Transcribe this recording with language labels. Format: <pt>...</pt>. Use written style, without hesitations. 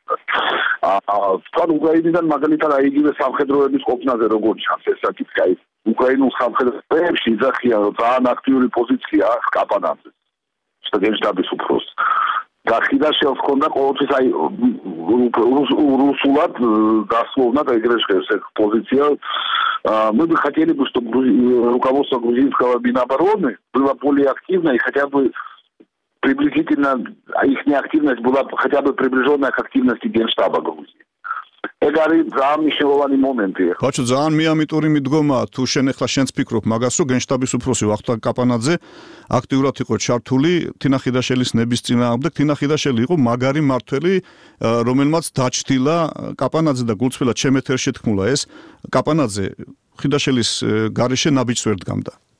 <ka>თქვა უკრაინიდან მაგალითად აი იგივე სამხედროების ყოფნაზე როგორც ჩანს ეს საკითხი, აი უკრაინულ სამხედროებში იძახიან რომ ძალიან აქტიური პოზიცია აქვს კაპანანზე. შტაბის უფროს და ხიდაშელს ჰქონდა ყოველთვის აი რუსულად გასმოვნა და ეგრე შეხეს ეს პოზიცია.</ka> <ru>Мы бы хотели бы, чтобы руководство грузинского Минобороны было более активно и хотя бы приблизительно их неактивность была хотя бы приближённая к активности Генштаба Грузии.</ru> <ka>ეგ არის ძალიან მნიშვნელოვანი მომენტი. ბაჩო, ძალიან მეამიტური მიდგომა, თუ შენ ახლა შენც ფიქრობ მაგას, რომ გენშტაბის უფროსი ვახტანგ კაპანაძე აქტიურად იყო ჩართული თინა ხიდაშელის ნების წინააღმდეგ. თინა ხიდაშელი იყო მაგარი მართველი, რომელმაც დაჩდილა კაპანაძე და გულწრფელა ჩემ ეთერში თქმულა ეს, კაპანაძე ხიდაშელის გარეშე ნაბიჯს ვერ დგამდა.</ka>